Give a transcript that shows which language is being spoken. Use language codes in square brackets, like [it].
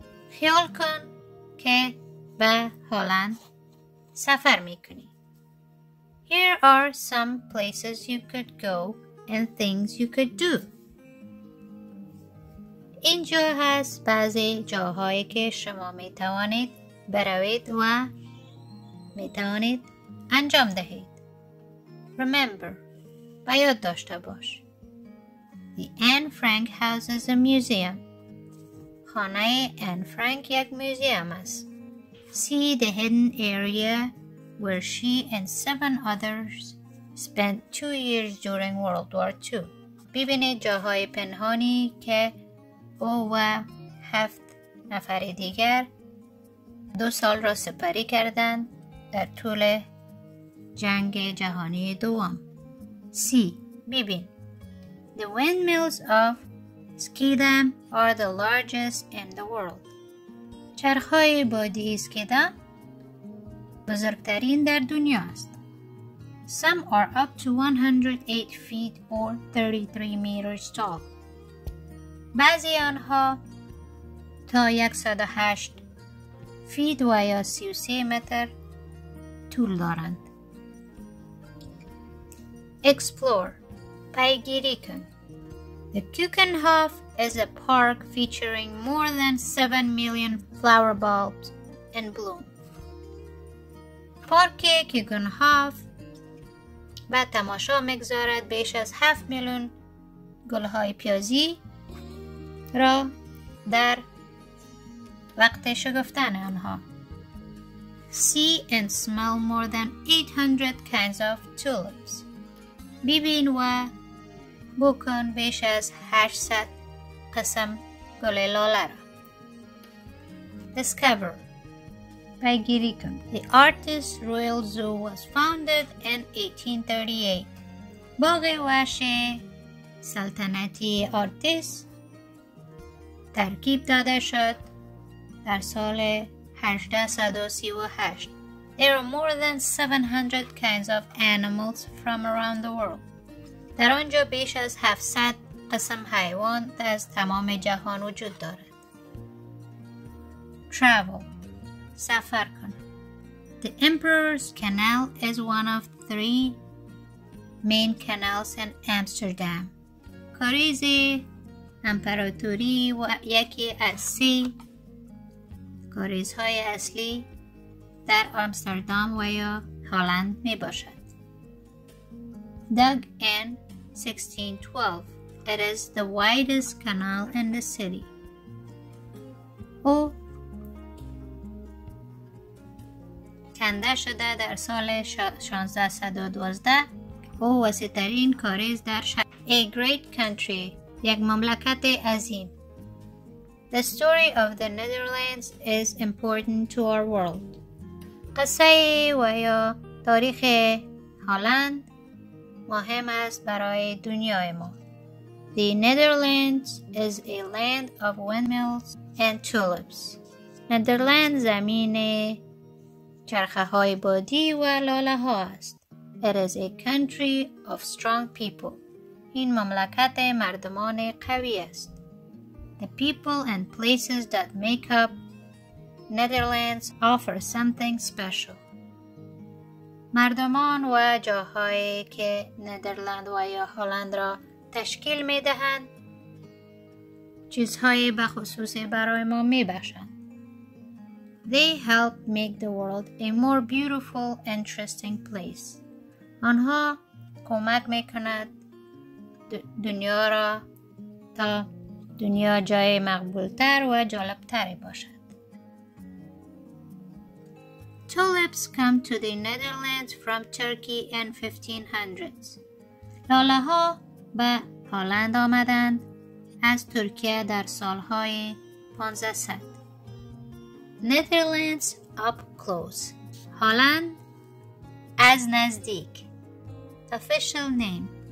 [fa] خیال کن که به هالند سفر می کنی. [en] Here are some places you could go and things you could do. [fa] اینجا هست بعضی جاهایی که شما می توانید بروید و می توانید انجام دهید. [en] Remember, [fa] بیاد داشته باش. [en] The Anne Frank House is a museum. [fa] خانه آن فرانک یک موزیم است. [en] See the hidden area where she and seven others spent 2 years during World War II. [fa] ببینید جاهای پنهانی که او و 7 نفر دیگر 2 سال را سپری کردند در طول جنگ جهانی دوم. [en] See, [fa] ببین. [en] The windmills of Skidam are the largest in the world. [fa] چرخ‌های بادی اسکیدام بزرگترین در دنیا است. [en] Some are up to 108 feet or 33 meters tall. [fa] بعضی آنها تا 108 feet و یا 33 متر طول دارند. [en] Explore. [fa] پیگیری کن. [en] The Kuchenhof is a park featuring more than 7 million flower bulbs in bloom. [fa] پارک کوکنهاف با تماشا می‌گذارد بیش از 7 میلیون گل‌های پیازی را در وقت شکفتن آنها. [en] See and smell more than 800 kinds of tulips. [fa] ببین و بکن بیش از 800 قسم گل لاله را. [en] Discover. [fa] پیگیری کن. [en] The Artist Royal Zoo was founded in 1838. [fa] باغ وحش سلطنتی آرتیس ترکیب داده شد در سال 1838. [en] There are more than 700 kinds of animals from around the world. [fa] در آنجا بیش از 700 قسم حیوان از تمام جهان وجود دارد. [en] Travel. [fa] سفر کن. [en] The Emperor's Canal is one of 3 main canals in Amsterdam. [fa] کاریز امپراتوری و یکی از 3 کاریزهای اصلی در آمستردام و یا هالند می باشد. [en] Dug in 1612. It is the widest canal in the city. [fa] او کنده شده در سال 1612. او وسیع‌ترین کاریز در شهر. [en] A great country. [fa] یک مملکت عظیم. [en] The story of the Netherlands is important to our world. [fa] قصه و یا تاریخ هالند مهم است برای دنیای ما. [en] The Netherlands is a land of windmills and tulips. [fa] Netherlands زمین چرخه های بادی و لاله ها است. [en] It is a country of strong people. [fa] این مملکت مردمان قوی است. [en] The people and places that make up Netherlands offer something special. [fa] ما مردمان و جاهایی که نیدرلند و یا هالند را تشکیل می دهند چیزهای بخصوصی برای ما می بخشند. [en] They help make the world a more beautiful, interesting place. [fa] آنها کمک می کند دنیا را تا دنیا جای مقبولتر و جالبتری باشد. [en] Tulips come to the Netherlands from Turkey in 1500s. [fa] لاله ها به هالند آمدند از ترکیه در سالهای 1500. [en] Netherlands up close. [fa] هالند از نزدیک. [en] Official name.